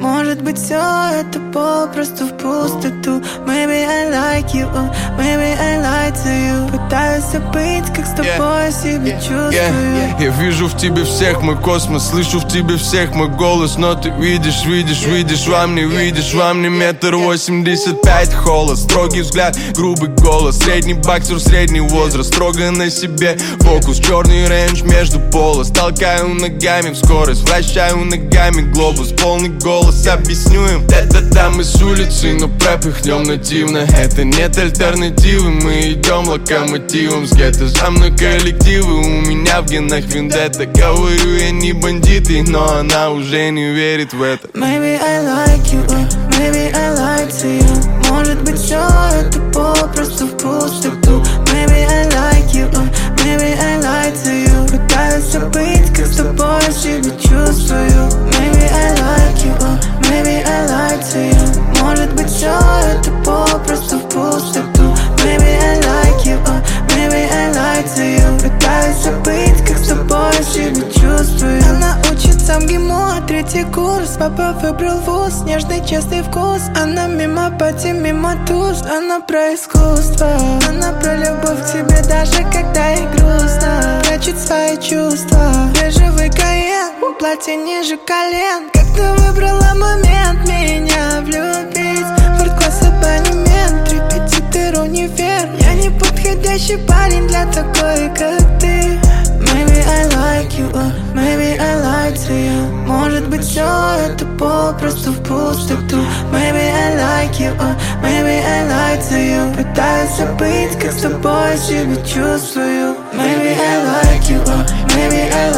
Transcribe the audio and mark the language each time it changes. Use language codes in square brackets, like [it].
[ru] Может быть, все это попросту в пустоту. [en] Maybe I like you, maybe I lied to you. [ru] Пытаюсь забыть, как с тобой себя чувствую. Я вижу в тебе всех, мой космос. Слышу в тебе всех, мой голос. Но ты видишь, видишь, видишь, во мне видишь. Во мне 1.85 м, холост. Строгий взгляд, грубый голос. Средний боксер, средний возраст. Строго на себе фокус. Черный рейндж между полос. Толкаю ногами в скорость. Вращаю ногами глобус. Полный голос, объясню им. Это там из улицы, но пропихнем нативно. Это нет альтернативы. Мы идем локомотивом с гетто. За мной коллективы, у меня в генах вендетта. Говорю, я не бандиты, но она уже не верит в это. [en] Maybe I like you, maybe I lied to you. [ru] Может быть, все это попросту в пустоту. [en] Maybe I like you, maybe I lied to you. [ru] Пытаюсь забыть, как с тобой себя чувствую. [en] Maybe I like you, maybe I lied to you. [ru] Может быть, все это попросту в пустоту. [en] Maybe I like you, maybe I lied to you. [ru] Пытаюсь забыть, как с тобой себя чувствую. Она учится в ГИМО, третий курс. Папа выбрал вуз, нежный, честный вкус. Она мимо пати, мимо туз. Она про искусство. Она про любовь к тебе, даже когда ей грустно. Прячет свои чувства. Бежевый Каен, платье ниже колен. Как ты выбрала момент меня влюбить? Форт-класс, абонемент, репетитор, универ. Я не подходящий парень для такой, как ты. [en] Maybe I like you, maybe I lied to you. [ru] Может быть, все это попросту в пустоту. [en] Maybe I like you, maybe I lied to you. [ru] Пытаюсь забыть, как с тобой себя чувствую. [en] Maybe I like you, maybe I lied to you.